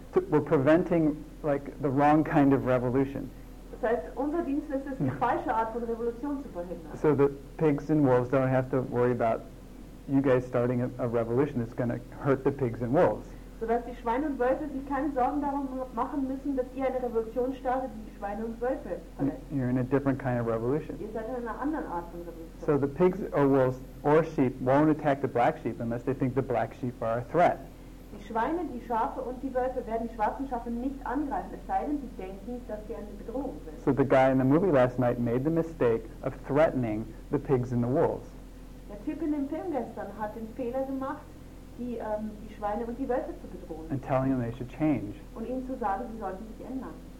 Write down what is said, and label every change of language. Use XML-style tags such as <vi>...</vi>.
<en>We're preventing, like, the wrong kind of revolution.</en> <de>Das heißt, unser Dienst ist es, die falsche Art von Revolution zu verhindern.</de> <en>So the pigs and wolves don't have to worry about you guys starting a revolution that's going to hurt the pigs and wolves.</en> <de>So dass die Schweine und Wölfe sich keine Sorgen darum machen müssen, dass ihr eine Revolution startet, die Schweine und Wölfe verletzt.</de> <en>You're in a different kind of revolution.</en> <de>Ihr seid in einer anderen Art von Revolution.</de> <en>So the pigs or wolves or sheep won't attack the black sheep unless they think the black sheep are a threat.</en> <de>Die Schweine, die Schafe und die Wölfe werden die schwarzen Schafe nicht angreifen, es sei denn, sie denken, dass sie eine Bedrohung sind.</de> <en>So the guy in the movie last night made the mistake of threatening the pigs and the wolves.</en> <de>Der Typ in dem Film gestern hat den Fehler gemacht, die Schweine und die Wölfe zu bedrohen.</de> <en>And telling them they should change.</en> <de>Und ihnen zu sagen, sie sollten sich ändern.</de>